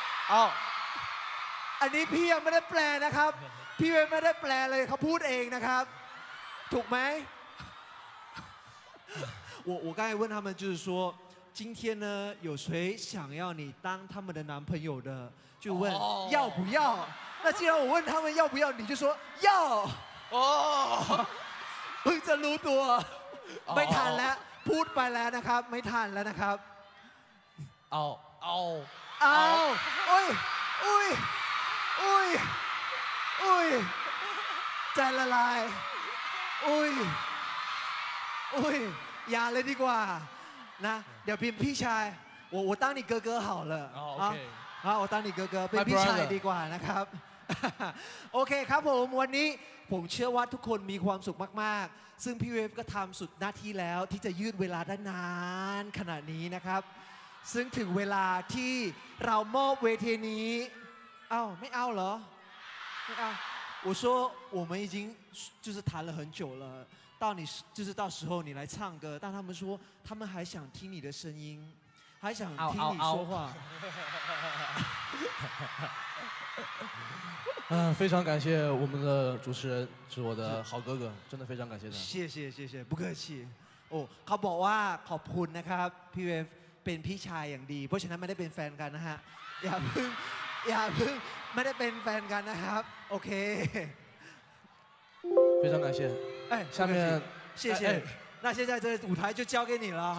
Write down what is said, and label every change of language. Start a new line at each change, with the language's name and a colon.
Thai: เอาอันนี้พี่ยังไม่ได้แปลนะครับพี่ไม่ได้แปลเลยเขาพูดเองนะครับถูกไหม
Chinese: 我刚才问他们就是说今天呢有谁想要你当他们的男朋友的就问要不要？那既然我问他们要不要，你就说要。哦，碰着撸多。
Thai: ไม่ทันแล้วพูดไปแล้วนะครับไม่ทันแล้วนะครับ เอา เอาเอาอุ้ยอุ้ยอุ้ยอุ้ยใจละลายอุ้ยอุ้ยอย่าเลยดีกว่านะเดี๋ยวพี่ชาย
Chinese: 我当你哥哥好了
Thai: โอเค
Chinese: 我当你哥哥
Thai: เป็นพี่ชายดีกว่านะครับโอเคครับผมวันนี้ผมเชื่อว่าทุกคนมีความสุขมากๆซึ่งพี่เวฟก็ทำสุดหน้าที่แล้วที่จะยืดเวลาได้นานขนาดนี้นะครับซึ่งถึงเวลาที่เรามอบเวทีนี้เอ้าไม่เอาเหรอไม่เอา
Chinese: 我说我们已经就是谈了很久了到你就是到时候你来唱歌但他们说他们还想听你的声音还想听你说话非常感谢我们的主持人是我的好哥哥真的非常感谢他谢谢谢谢不客气哦
Thai: เขาบอกว่าขอบคุณนะครับพี่เวฟเป็นพี่ชายอย่างดีเพราะฉะนั้นไม่ได้เป็นแฟนกันนะฮะอย่าเพิ่งไม่ได้เป็นแฟนกันนะครับโอเค
Chinese: 非常感谢下面谢谢那现在这舞台就交给你了